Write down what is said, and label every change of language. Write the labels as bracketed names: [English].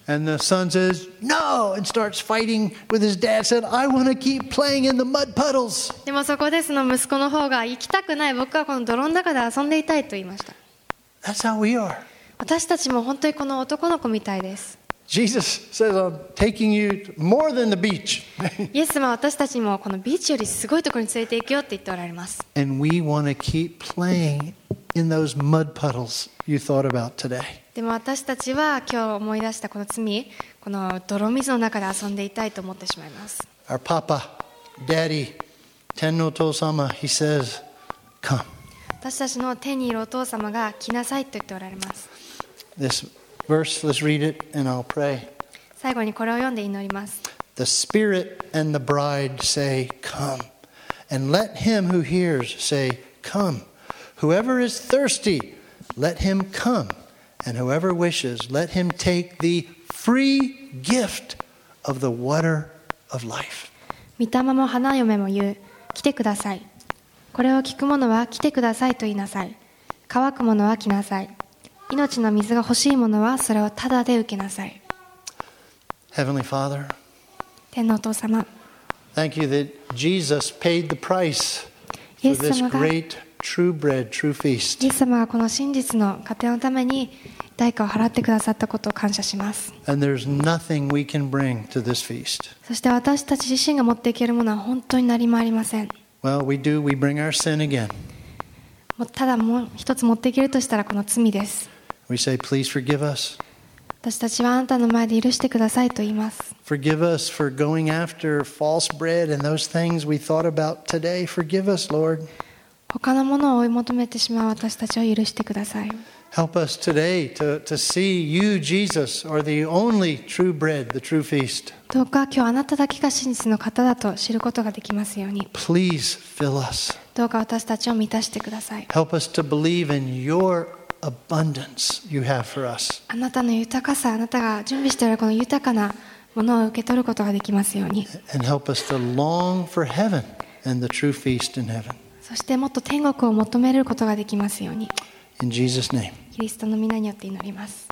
[English] And the son says, "No!" and starts fighting with his dad. Said, "I want to keep playing in the mud puddles." [Japanese] でもそこでその息子の方が行きたくない。僕はこの泥の中で遊んでいたいと言いました。 [English] That's how we are. [Japanese] 私たちも本当にこの男の子みたいです。 [English] Jesus says, "I'm taking you more than the beach." [Japanese] イエス様は私たちもこのビーチよりすごいところに連れて行くよって言っておられます。 [English] And we want to keep playing in those mud puddles you thought about today. [Japanese] でも私たちは今日思い出したこの罪、この泥水の中で遊んでいたいと思ってしまいます。 [English] Our Papa, Daddy, [Japanese] 天のお父様、 [English] He says, "Come." [Japanese] 私たちの手にいるお父様が来なさいと言っておられます。 [English] This verse, let's read it and I'll pray. [Japanese] 最後にこれを読んで祈ります。 [English] The Spirit and the Bride say, "Come," and let him who hears say, "Come." Whoever is thirsty, let him come, and whoever wishes, let him take the free gift of the water of life. [Japanese] 御霊も花嫁も言う、来てください。これを聞く者は来てくださいと言いなさい。乾く者は来なさい。命の水が欲しい者はそれをただで受けなさい。 [English] Heavenly Father, [Japanese] 天のお父様、 [English] Thank you that Jesus paid the price for this great true bread, true feast. [Japanese] イエス様がこの真実の家庭のために代価を払ってくださったことを感謝します。 [English] And there's nothing we can bring to this feast. [Japanese] そして私たち自身が持っていけるものは本当に何もありません。 [English] Well, we do. We bring our sin again. [Japanese] ただもう一つ持っていけるとしたらこの罪です。 [English] We say, please forgive us. [Japanese] 私たちはあなたの前で許してくださいと言います。 [English] Forgive us for going after false bread and those things we thought about today. Forgive us, Lord. [Japanese] 他のものを追い求めてしまう私たちを許してください。 [English] Help us today to see you, Jesus, are the only true bread, the true feast. [Japanese] どうか今日あなただけが真実の方だと知ることができますように。 [English] Please fill us. [Japanese] どうか私たちを満たしてください。 [English] Help us to believe in your abundance you have for us. [Japanese] あなたの豊かさ、あなたが準備しているこの豊かなものを受け取ることができますように。 [English] And help us to long for heaven and the true feast in heaven. [Japanese] そしてもっと天国を求めることができますように。 [English] In Jesus' name. [Japanese] キリストの皆によって祈ります。